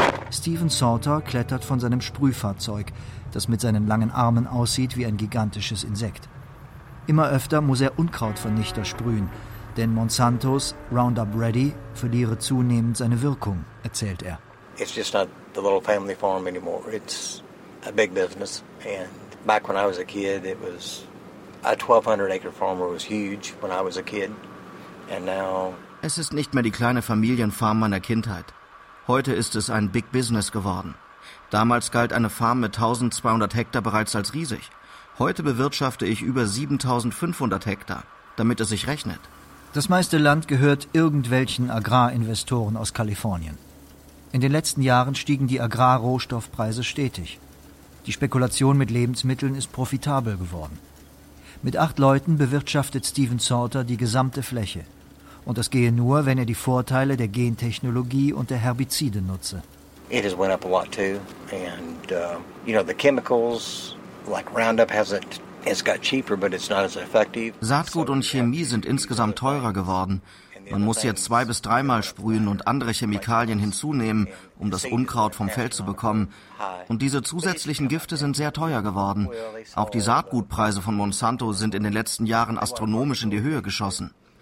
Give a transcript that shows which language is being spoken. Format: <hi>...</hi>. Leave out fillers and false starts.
<de>Steven Sauter klettert von seinem Sprühfahrzeug, das mit seinen langen Armen aussieht wie ein gigantisches Insekt. Immer öfter muss er Unkrautvernichter sprühen, denn Monsantos Roundup Ready verliere zunehmend seine Wirkung, erzählt er.</de> <en>It's just not the little family farm anymore. It's a big business. And back when I was a kid, it was a 1200-acre farmer was huge when I was a kid. And now</en> <de>es ist nicht mehr die kleine Familienfarm meiner Kindheit. Heute ist es ein Big Business geworden. Damals galt eine Farm mit 1200 Hektar bereits als riesig. Heute bewirtschafte ich über 7500 Hektar, damit es sich rechnet. Das meiste Land gehört irgendwelchen Agrarinvestoren aus Kalifornien. In den letzten Jahren stiegen die Agrarrohstoffpreise stetig. Die Spekulation mit Lebensmitteln ist profitabel geworden. Mit 8 Leuten bewirtschaftet Steven Sauter die gesamte Fläche. Und das gehe nur, wenn er die Vorteile der Gentechnologie und der Herbizide nutze.</de> <en>It has went up a lot too. And you know, the chemicals like Roundup it's got cheaper, but it's not as effective.</en> <de>Saatgut und Chemie sind insgesamt teurer geworden. Man muss jetzt 2 bis 3 Mal sprühen und andere Chemikalien hinzunehmen, um das Unkraut vom Feld zu bekommen. Und diese zusätzlichen Gifte sind sehr teuer geworden. Auch die Saatgutpreise von Monsanto sind in den letzten Jahren astronomisch in die Höhe geschossen.</de>